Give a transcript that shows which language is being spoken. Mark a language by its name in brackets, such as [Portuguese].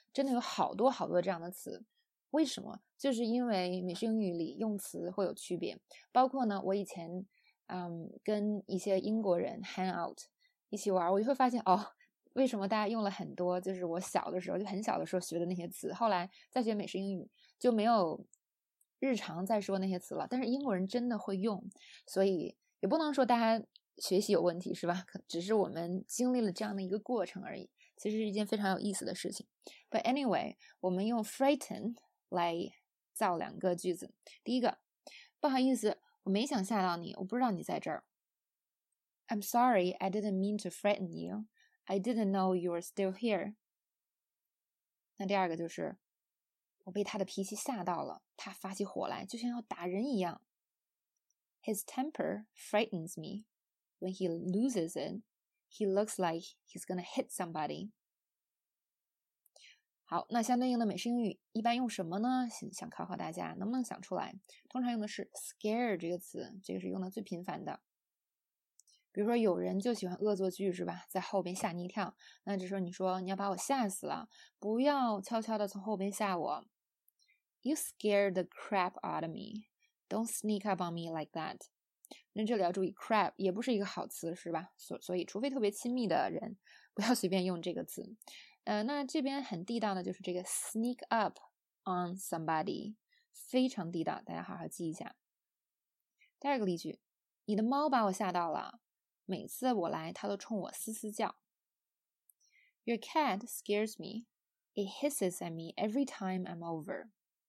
[Chinese] 真的有好多好多这样的词。为什么？就是因为美式英语里用词会有区别，包括呢，我以前跟一些英国人 [English] hang out [Chinese] 一起玩，我就会发现哦，为什么大家用了很多就是我小的时候就很小的时候学的那些词，后来再学美式英语就没有日常再说那些词了，但是英国人真的会用，所以也不能说大家学习有问题是吧，只是我们经历了这样的一个过程而已，其实是一件非常有意思的事情。 [English] But anyway， [Chinese] 我们用 frighten来造两个句子。第一个，不好意思，我没想吓到你，我不知道你在这儿。 [English] I'm sorry, I didn't mean to frighten you. I didn't know you were still here. [Chinese] 那第二个就是，我被他的脾气吓到了，他发起火来就像要打人一样。 [English] His temper frightens me. When he loses it, he looks like he's gonna hit somebody. [Chinese] 好，那相对应的美式英语一般用什么呢？想考考大家，能不能想出来？通常用的是 scare 这个词，这个是用的最频繁的。比如说有人就喜欢恶作剧是吧，在后边吓你一跳，那这时候你说你要把我吓死了，不要悄悄的从后边吓我。 [English] You scare the crap out of me. Don't sneak up on me like that. [Chinese] 那这里要注意 crap 也不是一个好词是吧，所以除非特别亲密的人不要随便用这个词。那这边很地道的就是这个 [English] sneak up on somebody， [Chinese] 非常地道，大家好好记一下。第二个例句，你的猫把我吓到了，每次我来它都冲我嘶嘶叫。 [English] Your cat scares me. It hisses at me every time I'm over.